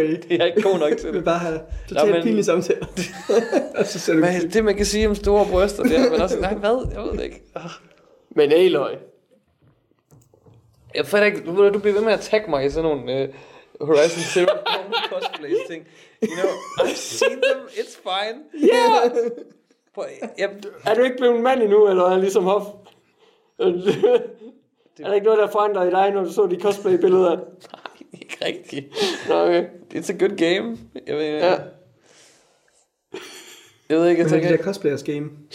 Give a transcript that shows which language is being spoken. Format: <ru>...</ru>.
<da>Det er ikke god nok til det. Vi bare har totalt pinlige samtaler. Men det, man kan sige om store bryster, det er, men også, nej, hvad? Jeg ved det ikke. Men Aloy. Jeg fatter ikke, du bliver ved med at tagge mig i sådan nogle Horizon Zero cosplays ting.</da> <en>You know, I've seen them, it's fine. Yeah!</en> <da>Er du ikke blevet mand endnu, eller er jeg ligesom hof? Er der ikke noget, der forandrer i dig, når du så de cosplay-billeder? Nej, ikke rigtigt. Okay.</da> <en>It's a good game.</en> <da>Jeg ved, ja. Jeg ved ikke, jeg tænker... Det er cosplayers game.</da>